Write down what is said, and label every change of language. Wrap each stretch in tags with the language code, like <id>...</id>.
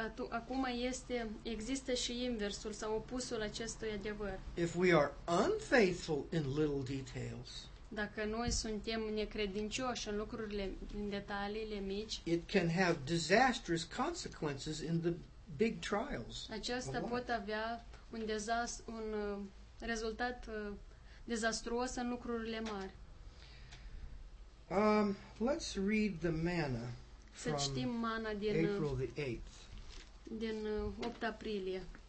<ro>Acum este, există și inversul sau opusul acestui adevăr.</ro> <en>If we are unfaithful in little details,</en> <ro>dacă noi suntem necredincioși în lucrurile, în detaliile mici,</ro> <en>it can have disastrous consequences in the big trials.</en> <ro>Aceasta pot avea un rezultat dezastruos în lucrurile mari.</ro> <en>Let's read the manna</en> <ro>să</ro> <en>from</en> <ro>manna din</ro> <en>April the 8th.</en> <ro>Din 8 aprilie.</ro>